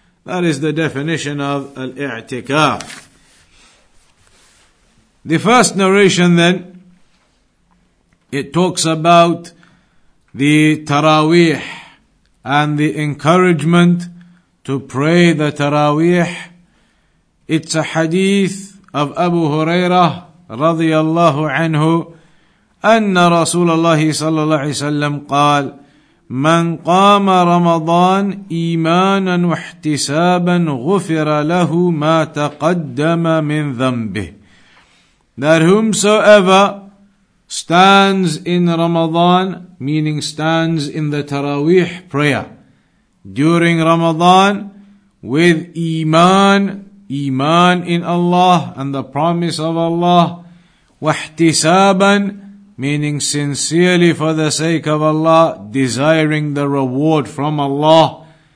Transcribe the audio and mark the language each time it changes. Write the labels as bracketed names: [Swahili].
[English] That is the definition of al-i'tikaf. The first narration then, it talks about the taraweeh and the encouragement to pray the taraweeh. It's a hadith of Abu Hurairah [Arabic] رضي الله عنه أن رسول الله صلى الله عليه وسلم قال من قام رمضان إيمانا واحتسابا غفر له ما تقدم من ذنبه. [English] That whomsoever stands in Ramadan, meaning stands in the Taraweeh prayer during Ramadan with إيمان, إيمان in Allah and the promise of Allah, وَاحْتِسَابًا, meaning sincerely for the sake of Allah, desiring the reward from Allah,